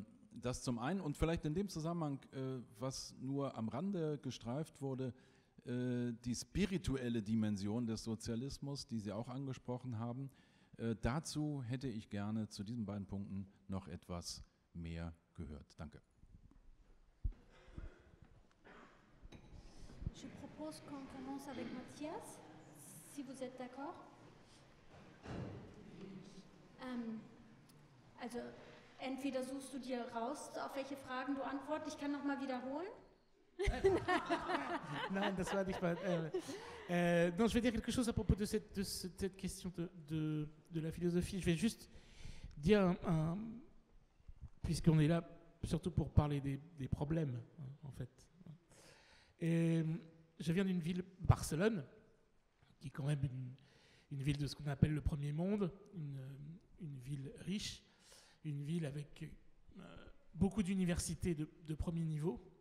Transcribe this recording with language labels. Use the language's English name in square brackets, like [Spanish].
[German] Das zum einen und vielleicht in dem Zusammenhang, was nur am Rande gestreift wurde, die spirituelle Dimension des Sozialismus, die Sie auch angesprochen haben, dazu hätte ich gerne zu diesen beiden Punkten noch etwas mehr gehört. Danke. [French] Ich propose qu'on commence avec Matthias, si vous êtes d'accord. [German] Also entweder suchst du dir raus, auf welche Fragen du antwortest. Ich kann noch mal wiederholen. Nein, das war nicht mal. [French] Non, je vais dire quelque chose à propos de cette question de la philosophie. Je vais juste dire, puisqu'on est là surtout pour parler des problèmes, en fait. Et je viens d'une ville, Barcelone, qui est quand même une ville de ce qu'on appelle le premier monde, une ville riche, une ville avec beaucoup d'universités de premier niveau.